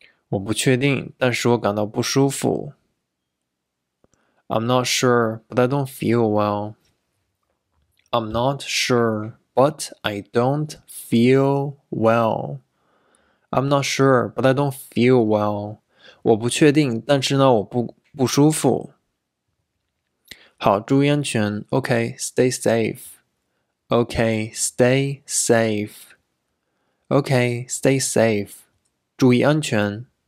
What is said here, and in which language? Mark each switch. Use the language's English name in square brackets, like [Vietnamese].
[Chinese] 我不确定，但是我感到不舒服。 [English] I'm not sure, but I don't feel well. I'm not sure, but I don't feel well. I'm not sure, but I don't feel well. [Chinese] 我不确定，但是呢，我不舒服。好，注意安全。 [English] Okay, stay safe. Okay, stay safe. Okay, stay safe. [Chinese] 注意安全。